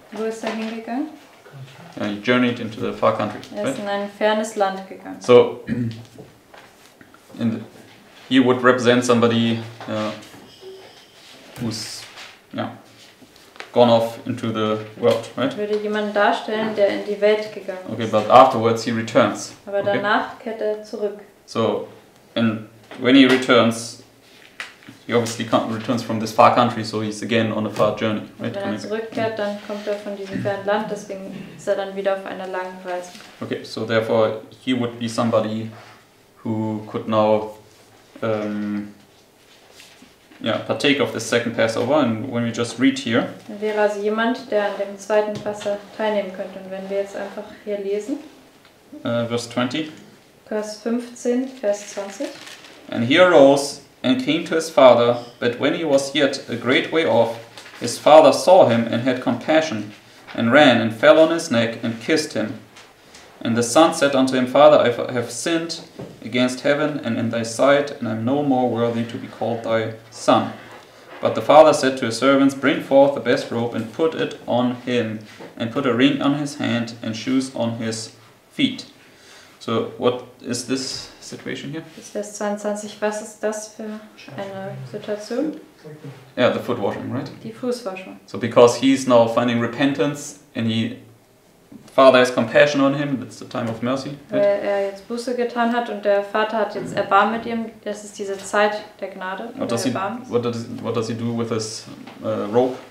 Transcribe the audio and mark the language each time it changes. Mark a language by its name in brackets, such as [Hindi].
[German] Wo ist er hingegangen? [English] Yeah, he journeyed into the far country. [German] Er ist in ein fernes Land gegangen. [English] So, and he would represent somebody who's gone off into the world, right? [German] Würde jemanden darstellen, der in die Welt gegangen ist. [English] Okay, but afterwards he returns. [German] Aber danach kehrt er zurück. [English] So, and when he returns, he obviously returns from this far country, so he's again on a far journey, right? [German] Wenn er zurückkehrt, dann kommt er von diesem fernen Land, deswegen ist er dann wieder auf einer langen Reise. [English] Okay, so therefore he would be somebody who could now partake of the second Passover, and when we just read here, [German] dann wäre also jemand, der an dem zweiten Passa teilnehmen könnte. Und wenn wir jetzt einfach hier lesen, [English] Verse 20, [German] Vers 15, Vers 20, [English] and he arose and came to his father, but when he was yet a great way off, his father saw him and had compassion, and ran and fell on his neck and kissed him. And the son said unto him, Father, I have sinned against heaven and in thy sight, and I am no more worthy to be called thy son. But the father said to his servants, bring forth the best robe and put it on him, and put a ring on his hand and shoes on his feet. So what is this situation here? [German] Das Vers 22, was ist das für eine Situation? [English] Yeah, the foot washing, right? [German] Die Fußwaschung. [English] So because he's now finding repentance and he... Father has compassion on him, that's the time of mercy. [German] Weil er jetzt Buße getan hat und der Vater hat jetzt Erbarmen mit ihm, das ist diese Zeit der Gnade. [English] What does, what does he do with his robe?